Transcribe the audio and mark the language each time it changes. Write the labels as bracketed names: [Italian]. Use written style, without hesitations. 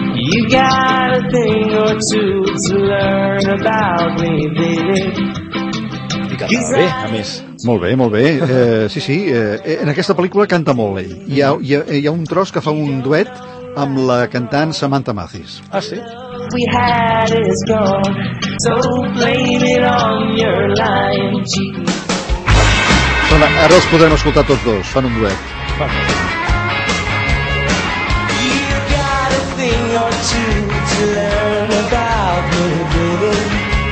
[English] You got a thing or two to learn about me, baby. [Catalan] Bé, a més. Molt bé, molt bé. En aquesta pel·lícula canta molt ell. Hi ha un tros que fa un duet amb la cantant Samantha Mathis. Ah, sí? [English] We had it gone, so blame it on your lying cheek. [Catalan] Ara els podrem escoltar tots dos, fan un duet. [English] You've got a thing or two to learn about me.